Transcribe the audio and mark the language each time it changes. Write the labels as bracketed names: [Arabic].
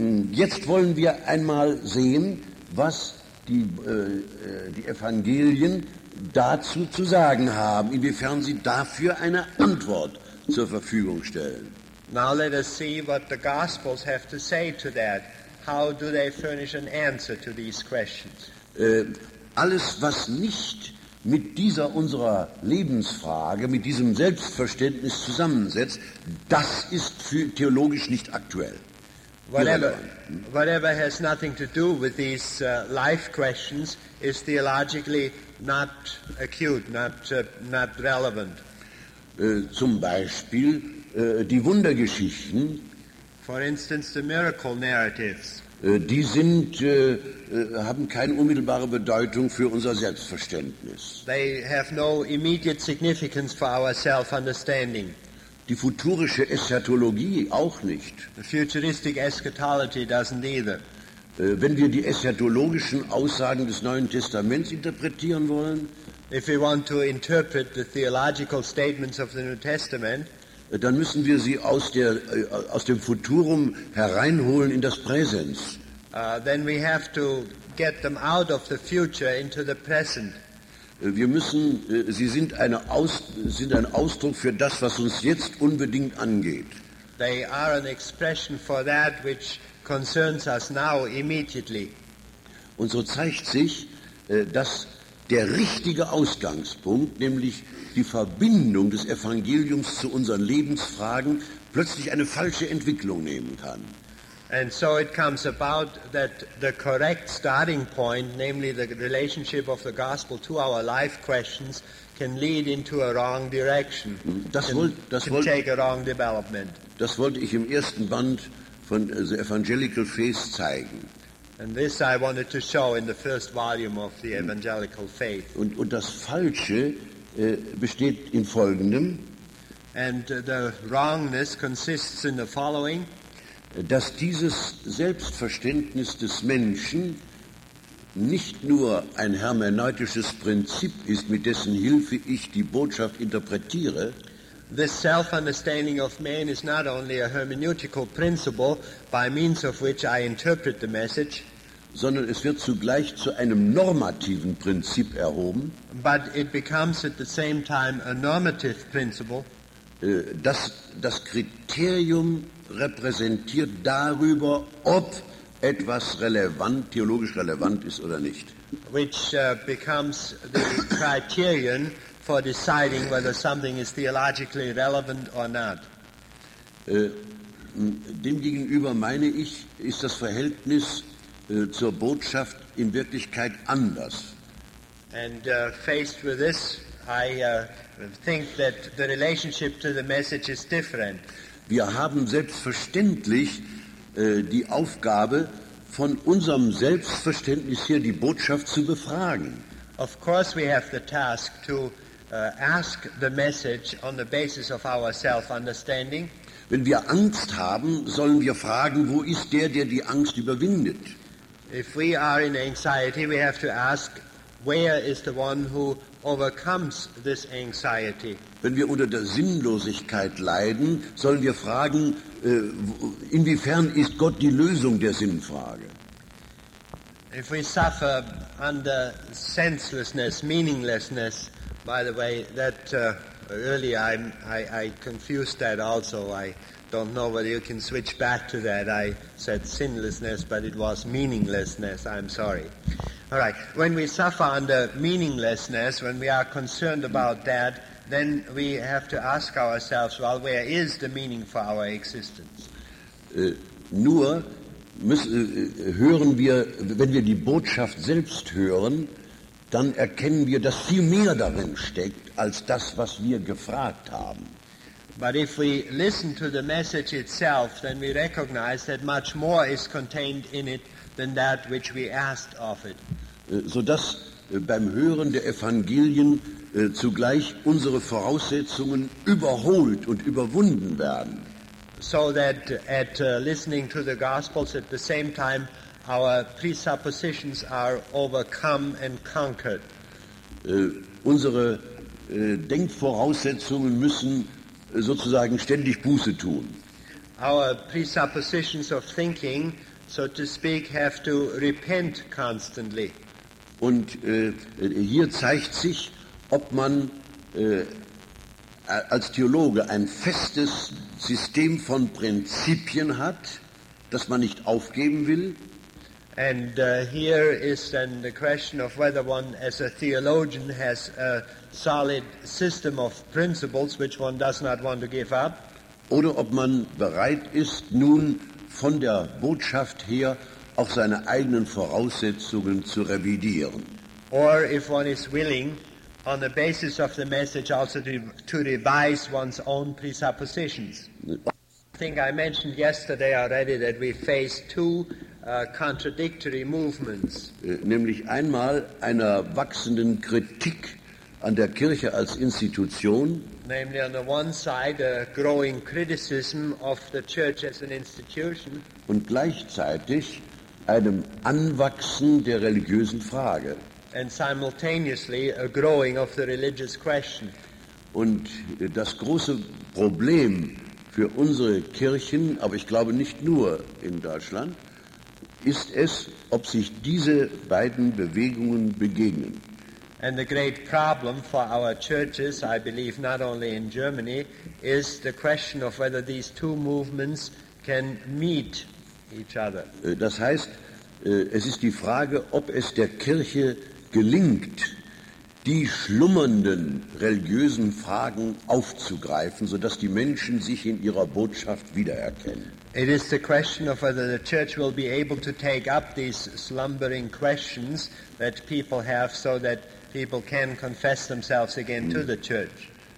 [German] jetzt wollen wir einmal sehen, was die Evangelien dazu zu sagen haben, inwiefern sie dafür eine Antwort zur Verfügung stellen. [English] Now let us see what the Gospels have to say to that. How do they furnish an answer to these questions? [German] Alles, was nicht mit dieser unserer Lebensfrage, mit diesem Selbstverständnis zusammensetzt, das ist für theologisch nicht aktuell. [English] Whatever has nothing to do with these life questions is theologically not acute, not relevant. [German] Zum Beispiel die Wundergeschichten, [English] for instance, the miracle narratives, [German] die sind, haben keine unmittelbare Bedeutung für unser Selbstverständnis. [English] They have no immediate significance for our self-understanding. [German] Die futurische Eschatologie auch nicht. [English] The futuristic eschatology doesn't either. [German] Wenn wir die eschatologischen Aussagen des Neuen Testaments interpretieren wollen, [English] if we want to interpret the theological statements of the New Testament, [German] dann müssen wir sie aus dem Futurum hereinholen in das Präsens. [English] Then we have to get them out of the future into the present. [German] Wir müssen, sie sind eine Aus, sind ein Ausdruck für das, was uns jetzt unbedingt angeht. [English] They are an expression for that which concerns us now immediately. [German] Und so zeigt sich, dass der richtige Ausgangspunkt, nämlich die Verbindung des Evangeliums zu unseren Lebensfragen, plötzlich eine falsche Entwicklung nehmen kann. [English] And so it comes about that the correct starting point, namely the relationship of the gospel to our life questions, can lead into a wrong direction, take a wrong development. [German] Das wollte ich im ersten Band von The Evangelical Faith zeigen. [English] And this I wanted to show in the first volume of The Evangelical Faith. [German] Und das Falsche besteht in Folgendem. [English] And the wrongness consists in the following. [German] Dass dieses Selbstverständnis des Menschen nicht nur ein hermeneutisches Prinzip ist, mit dessen Hilfe ich die Botschaft interpretiere. [English] This self-understanding of man is not only a hermeneutical principle, by means of which I interpret the message, [German] sondern es wird zugleich zu einem normativen Prinzip erhoben, [English] but it becomes at the same time a normative principle, [German] das das Kriterium repräsentiert darüber, ob etwas relevant, theologisch relevant ist oder nicht. [English] Which becomes the criterion for deciding whether something is theologically relevant or not. [German] Demgegenüber meine ich, ist das Verhältnis zur Botschaft in Wirklichkeit anders. [English] And faced with this, I think that the relationship to the message is different. [German] Wir haben selbstverständlich die Aufgabe, von unserem Selbstverständnis her die Botschaft zu befragen. [English] Of course we have the task to ask the message on the basis of our self-understanding. [German] Wenn wir Angst haben, sollen wir fragen, wo ist der, der die Angst überwindet? [English] If we are in anxiety, we have to ask, where is the one who overcomes this anxiety? [German] Wenn wir unter der Sinnlosigkeit leiden, sollen wir fragen, inwiefern ist Gott die Lösung der Sinnfrage? [English] If we suffer under senselessness, meaninglessness, by the way, that earlier I confused that also. I don't know whether you can switch back to that. I said sinlessness, but it was meaninglessness. I'm sorry. All right. When we suffer under meaninglessness, when we are concerned about that, then we have to ask ourselves, well, where is the meaning for our existence? [German] Nur müssen, hören wir, wenn wir die Botschaft selbst hören, dann erkennen wir, dass viel mehr darin steckt, als das, was wir gefragt haben. [English] But if we listen to the message itself, then we recognize that much more is contained in it than that which we asked of it. [German] Sodass beim Hören der Evangelien zugleich unsere Voraussetzungen überholt und überwunden werden. [English] So that at listening to the Gospels at the same time, our presuppositions are overcome and conquered. [German] Unsere Denkvoraussetzungen müssen sozusagen ständig Buße tun. [English] Our presuppositions of thinking, so to speak, have to repent constantly. [German] Und hier zeigt sich, ob man als Theologe ein festes System von Prinzipien hat, das man nicht aufgeben will. [English] And here is then the question of whether one, as a theologian, has a solid system of principles which one does not want to give up. [German] Oder ob man bereit ist, nun von der Botschaft her auch seine eigenen Voraussetzungen zu revidieren. [English] Or if one is willing, on the basis of the message, also to revise one's own presuppositions. I think I mentioned yesterday already that we face two contradictory movements. [German] Nämlich einmal einer wachsenden Kritik an der Kirche als Institution. [English] Namely, on the one side, a growing criticism of the church as an institution. [German] Und gleichzeitig einem Anwachsen der religiösen Frage. [English] And simultaneously a growing of the religious question. [German] Und das große Problem für unsere Kirchen, aber ich glaube nicht nur in Deutschland, ist es, ob sich diese beiden Bewegungen begegnen. [English] And the great problem for our churches, I believe, not only in Germany, is the question of whether these two movements can meet each other. [German] Das heißt, es ist die Frage, ob es der Kirche gelingt, die schlummernden religiösen Fragen aufzugreifen, sodass die Menschen sich in ihrer Botschaft wiedererkennen. [English] It is the question of whether the church will be able to take up these slumbering questions that people have, so that people can confess themselves again to the church.